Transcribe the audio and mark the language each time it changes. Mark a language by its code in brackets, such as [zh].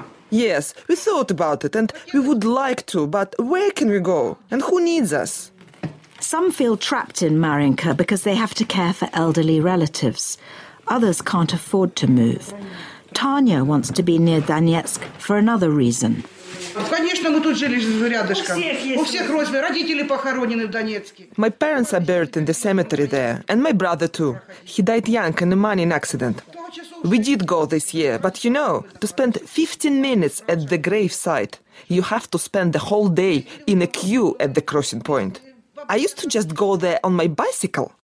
[en] Yes, we thought about it, and we would like to, but where can we go? And who needs us? Some feel trapped in Marinka because they have to care for elderly relatives. Others can't afford to move. Tanya wants to be near Donetsk for another reason. [ru] Конечно, мы тут жили рядышком. У всех есть. Родители похоронены в Донецке. [en] My parents are buried in the cemetery there, and my brother too. He died young in a mining accident. We did go this year, but you know, to spend 15 minutes at the gravesite, you have to spend the whole day in a queue at the crossing point. I used to just go there on my bicycle.